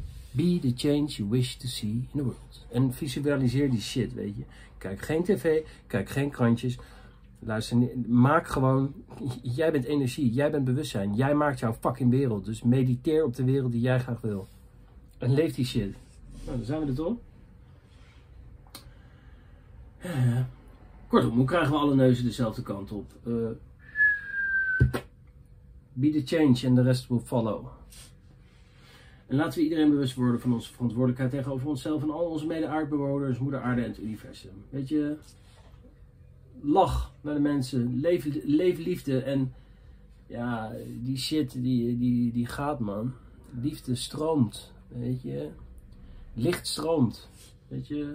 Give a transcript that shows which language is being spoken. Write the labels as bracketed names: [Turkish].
[English] Be the change you wish to see in the world. [Dutch] En visualiseer die shit, weet je. Kijk geen tv, kijk geen krantjes... Luister, maak gewoon... Jij bent energie, jij bent bewustzijn. Jij maakt jouw fucking wereld. Dus mediteer op de wereld die jij graag wil. En leef die shit. Nou, dan zijn we er toch. Kortom, hoe krijgen we alle neuzen dezelfde kant op? [English] Be the change and the rest will follow. [Dutch] En laten we iedereen bewust worden van onze verantwoordelijkheid tegenover onszelf en al onze mede-aardbewoners, moeder aarde en het universum. Weet je... Lach naar de mensen. Leef liefde. En ja, die shit die gaat, man. Liefde stroomt. Weet je. Licht stroomt. Weet je.